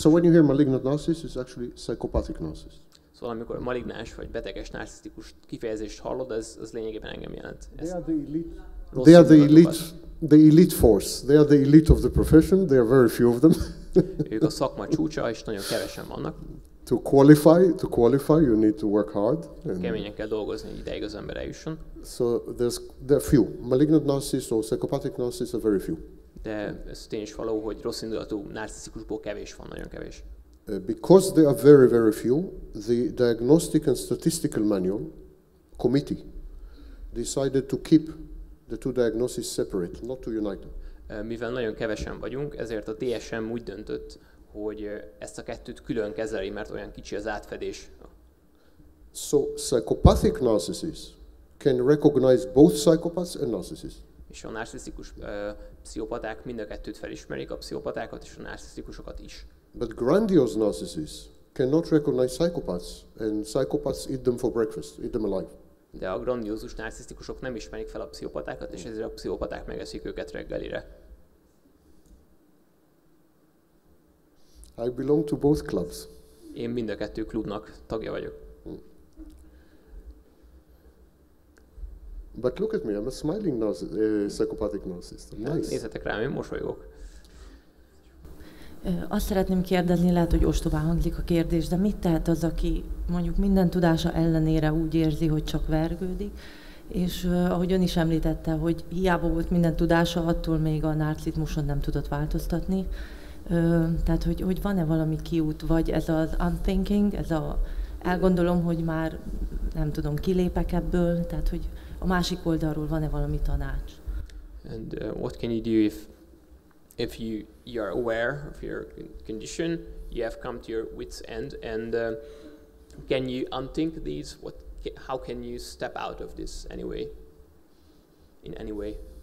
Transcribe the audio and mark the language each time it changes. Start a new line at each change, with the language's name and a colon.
English: So when you hear malignant narcissist, it's actually psychopathic narcissist.
Hungarian: Szóval amikor malignáns vagy beteges narcisztikus kifejezést hallod, az lényegében engem jelent.
English: They are the elite the elite force. They are the elite of the profession. There are very few of them.
Hungarian: Ők a szakma csúcsa, és nagyon kevesen vannak.
English: To qualify, you need to work hard.
Hungarian: Keményen kell dolgozni, hogy ideig az ember eljusson.
English: So there are few. Malignant narcissists or psychopathic narcissists are very few.
Hungarian: De ez tény is való, hogy rossz indulatú narcisztikusból kevés van, nagyon kevés.
English: Because they are very, very few, the Diagnostic and Statistical Manual Committee decided to keep the two diagnoses separate, not to unite them.
Hungarian: Mivel nagyon kevesen vagyunk, ezért a DSM úgy döntött, hogy ezt a kettőt külön kezeli, mert olyan kicsi az átfedés.
English: So psychopathic narcissists can recognize both psychopaths and narcissists.
Hungarian: És a narcisztikus pszichopaták mind a kettőt felismerik, a pszichopatákat és a narcisztikusokat is.
English: But grandiose narcissists cannot recognize psychopaths, and psychopaths eat them for breakfast, eat them alive.
Hungarian: De a grandiózus narcisztikusok nem ismerik fel a pszichopatákat, és ezért a pszichopaták megeszik őket reggelire.
English: I belong to both clubs.
Hungarian: Én mind a kettő klubnak tagja vagyok.
English: But look at me, I'm a smiling psychopathic narcissist. Nice.
Hungarian: Nézzetek rám, én mosolygok. Azt szeretném kérdezni, lehet, hogy ostobán hangzik a kérdés, de mit tehet az, aki mondjuk minden tudása ellenére úgy érzi, hogy csak vergődik, és ahogy ön is említette, hogy hiába volt minden tudása, attól még a narcizmuson nem tudott változtatni. Tehát, hogy van-e valami kiút, vagy ez az unthinking, ez a elgondolom, hogy már nem tudom, kilépek ebből, tehát, hogy a másik oldalról van-e valami tanács?
English: And what can you do if you are aware of your condition, you have come to your wit's end, and can you unthink these? How can you step out of this anyway? In any way?